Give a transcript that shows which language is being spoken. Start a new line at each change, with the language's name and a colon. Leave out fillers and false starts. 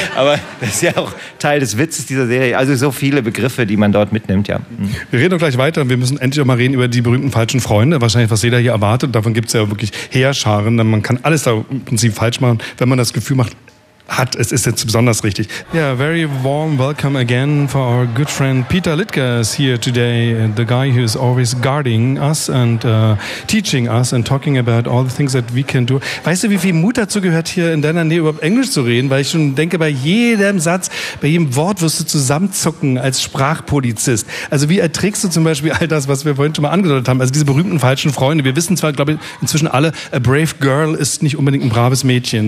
German: Aber das ist ja auch Teil des Witzes dieser Serie. Also so viele Begriffe, die man dort mitnimmt, ja. Wir reden gleich weiter. Wir müssen endlich auch mal reden über die berühmten falschen Freunde. Wahrscheinlich, was jeder hier erwartet. Davon gibt es ja wirklich Heerscharen. Man kann alles da im Prinzip falsch machen, wenn man das Gefühl hat, es ist jetzt besonders richtig.
English: Yeah, very warm welcome again for our good friend Peter Littger is here today, the guy who is always guarding us and teaching us and talking about all the things that we can do.
German: Weißt du, wie viel Mut dazu gehört, hier in deiner Nähe überhaupt Englisch zu reden? Weil ich schon denke, bei jedem Satz, bei jedem Wort wirst du zusammenzucken als Sprachpolizist. Also wie erträgst du zum Beispiel all das, was wir vorhin schon mal angedeutet haben, also diese berühmten falschen Freunde? Wir wissen zwar, glaube ich, inzwischen alle,
English: a brave girl
German: ist nicht unbedingt ein braves Mädchen.